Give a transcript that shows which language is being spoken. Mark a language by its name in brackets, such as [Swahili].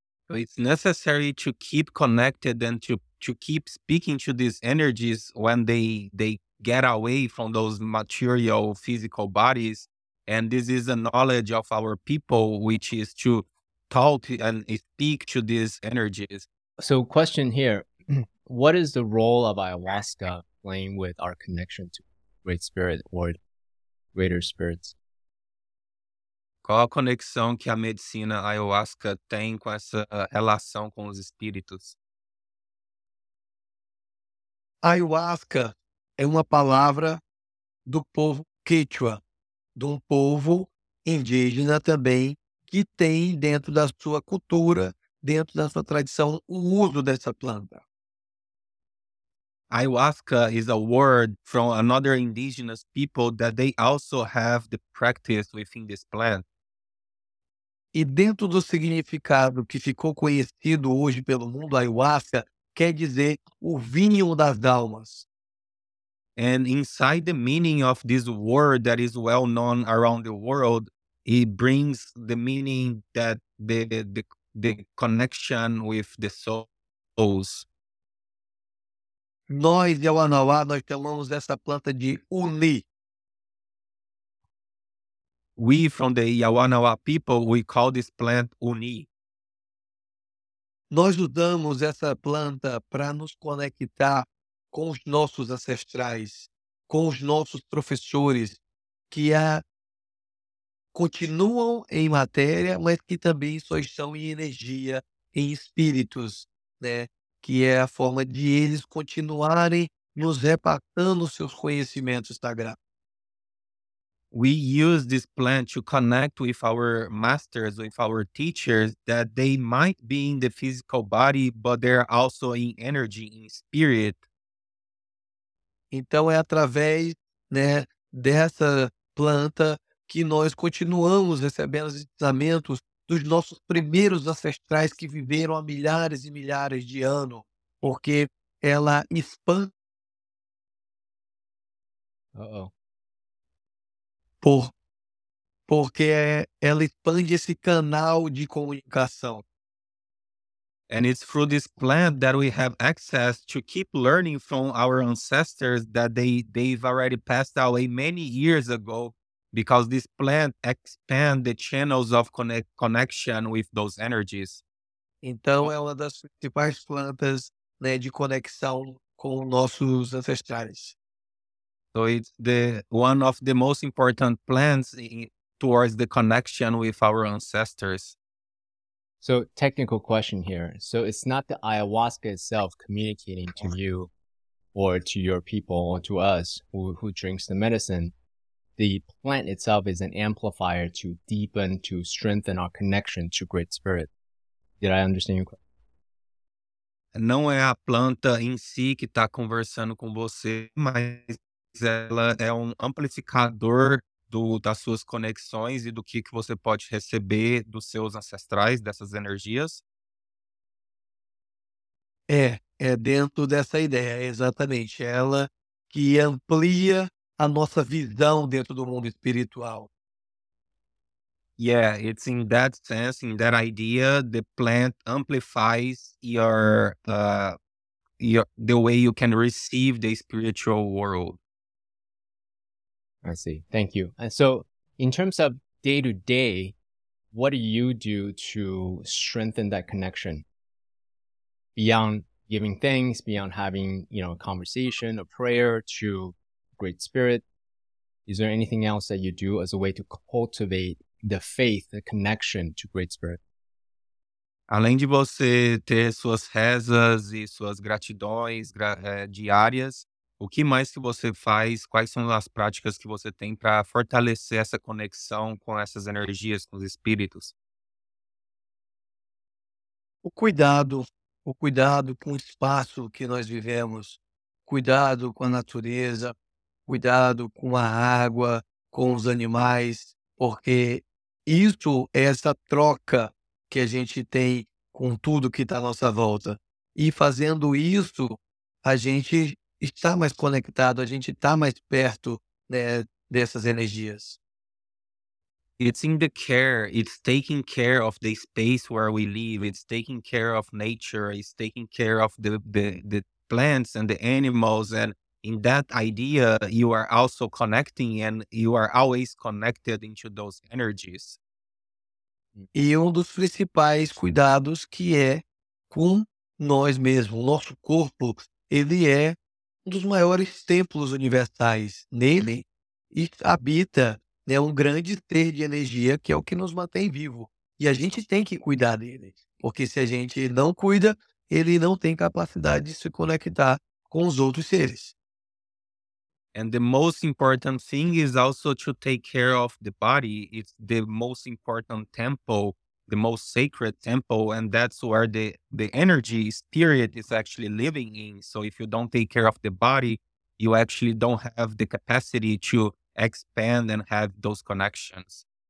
[English] It's necessary to keep connected and to keep speaking to these energies when they get away from those material physical bodies. And this is a knowledge of our people, which is to talk and speak to these energies. So question here, what is the role of ayahuasca playing with our connection to great spirit or greater spirits? [Portuguese] Qual a conexão que a medicina ayahuasca tem com essa relação com os espíritos? Ayahuasca é uma palavra do povo Quechua, de povo indígena também, que tem dentro da sua cultura, dentro da sua tradição, o uso dessa planta. [English] Ayahuasca is a word from another indigenous people that they also have the practice within this plant. [Portuguese] E dentro do significado que ficou conhecido hoje pelo mundo, ayahuasca quer dizer o vinho das almas. [English] And inside the meaning of this word that is well known around the world, it brings the meaning that the connection with the souls. [Portuguese] Nós, Yawanawa, nós chamamos essa planta de uni. [English] We from the Yawanawa people, we call this plant Uni. [Portuguese] Nós usamos essa planta para nos conectar com os nossos ancestrais, com os nossos professores, que continuam em matéria, mas que também só estão em energia, em espíritos, né? Que é a forma de eles continuarem nos repassando seus conhecimentos sagrados. [English] We use this plant to connect with our masters, with our teachers, that they might be in the physical body, but they're also in energy, in spirit. [Portuguese] Então é através, né, dessa planta que nós continuamos recebendo os ensinamentos dos nossos primeiros ancestrais que viveram há milhares e milhares de anos, porque ela expande porque ela expande esse canal de comunicação. [English] And it's through this plant that we have access to keep learning from our ancestors that they've already passed away many years ago, because this plant expands the channels of connection with those energies. [Portuguese] Então é uma das principais plantas, né, de conexão com nossos ancestrais. [English] So it's the one of the most important plants towards the connection with our ancestors. So, technical question here. So, it's not the ayahuasca itself communicating to you or to your people or to us who drinks the medicine. The plant itself is an amplifier to deepen, to strengthen our connection to Great Spirit. Did I understand your question? [Portuguese] Não é a planta em si que está conversando com você, mas ela é amplificador das suas conexões e do que você pode receber dos seus ancestrais, dessas energias? É dentro dessa ideia, exatamente. Ela que amplia a nossa visão dentro do mundo espiritual. [English] Yeah, it's in that sense, in that idea, the plant amplifies your the way you can receive the spiritual world. I see. Thank you. And so in terms of day to day, what do you do to strengthen that connection beyond giving thanks, beyond having, you know, a conversation, a prayer to Great Spirit? Is there anything else that you do as a way to cultivate the faith, the connection to Great Spirit? [Portuguese] Além de você ter suas rezas e suas gratidões diárias, o que mais que você faz? Quais são as práticas que você tem para fortalecer essa conexão com essas energias, com os espíritos? O cuidado com o espaço que nós vivemos, cuidado com a natureza, cuidado com a água, com os animais, porque isso é essa troca que a gente tem com tudo que está à nossa volta. E fazendo isso, a gente está mais conectado, a gente está mais perto, né, dessas energias. [English] It's in the care, it's taking care of the space where we live, it's taking care of nature, it's taking care of the plants and the animals, and in that idea, you are also connecting and you are always connected into those energies. [Portuguese] E dos principais cuidados que é com nós mesmos, nosso corpo, ele é um dos maiores templos universais. Nele habita, né, um grande ser de energia que é o que nos mantém vivo. E a gente tem que cuidar dele, porque se a gente não cuida, ele não tem capacidade de se conectar com os outros seres. [English] And the most important thing is also to take care of the body. It's the most important temple, the most sacred temple, and that's where the energy spirit is actually living in. So if you don't take care of the body, you actually don't have the capacity to expand and have those connections.